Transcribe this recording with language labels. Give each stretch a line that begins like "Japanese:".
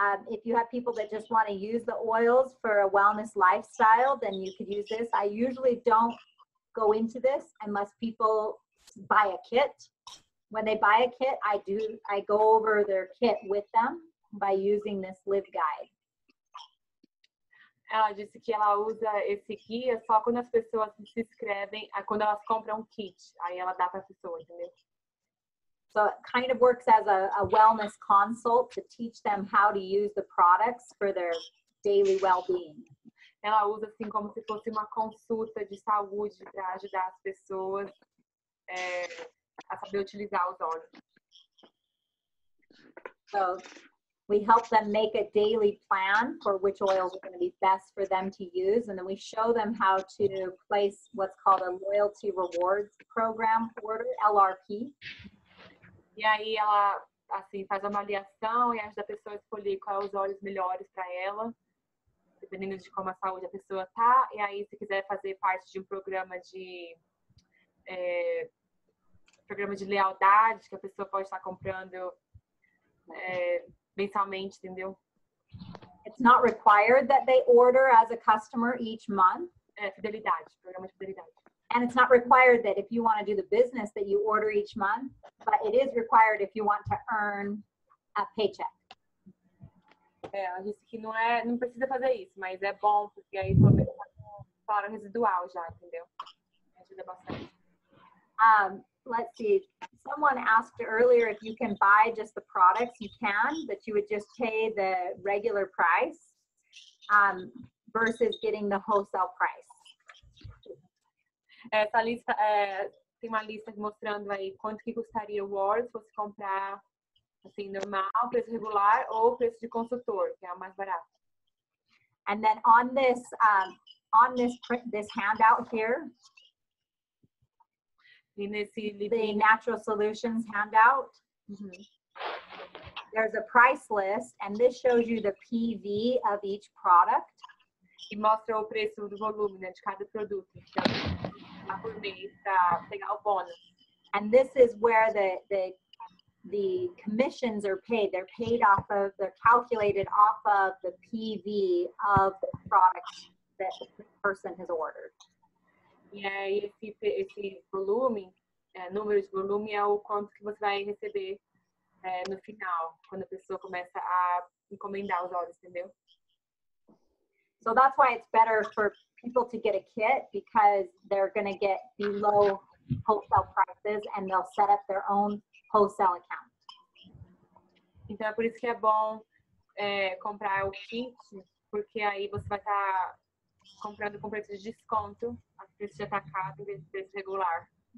English: If you have people that just want to use the oils for a wellness lifestyle, then you could use this. I usually don't go into this unless people buy a kit. When they buy a kit, I go over their kit with them by using this live guide.
Portuguese: Ela disse que ela usa esse guia só quando as pessoas se inscrevem, quando elas compram um kit, aí ela dá para a pessoa, entendeu?
English: So it kind of works as a wellness consult to teach them how to use the products for their daily well-being.
Portuguese: Ela usa assim como se fosse uma consulta de saúde para ajudar as pessoas a saber utilizar os óleos.
English: So, we help them make a daily plan for which oils are going to be best for them to use. And then we show them how to place what's called a loyalty rewards program order, LRP.
Portuguese: E aí ela assim, faz uma avaliação e ajuda a pessoa a escolher quais os óleos melhores para ela, dependendo de como a saúde da pessoa tá. E aí se quiser fazer parte de um programa de programa de lealdade, que a pessoa pode estar comprando mensalmente, entendeu?
English: It's not required that they order as a customer each month.
Portuguese: É, fidelidade, programa de fidelidade.
English: And it's not required that if you want to do the business that you order each month, but it is required if you want to earn a paycheck.
Portuguese: É, ela disse que não precisa fazer isso, mas é bom, porque aí só vai ficar fora residual já, entendeu? Ajuda bastante.
English: Let's see, someone asked earlier if you can buy just the products, you can, that you would just pay the regular price versus getting the wholesale price.
Portuguese: Essa lista, tem uma lista mostrando aí quanto que custaria o óleo se fosse comprar assim, normal, preço regular ou preço de consultor, que é o mais barato.
English: And then on this this handout here, the Natural Solutions handout. Mm-hmm. There's a price list, and this shows you the PV of each product.
Portuguese: E mostra o preço do volume, né, de cada produto. Então, por mês, pra pegar o bônus.
English: And this is where the commissions are paid. They're paid off of, they're calculated off of the PV of the product that the person has ordered.
Portuguese: E aí, esse volume, número de volume é o quanto que você vai receber no final, quando a pessoa começa a encomendar os óleos, entendeu?
English: So that's why it's better for people to get a kit, because they're going to get below wholesale prices and they'll set up their own wholesale account.
Portuguese: Então é por isso que é bom comprar o kit, porque aí você vai estar comprando com preço de desconto, a preço de atacado e preço regular.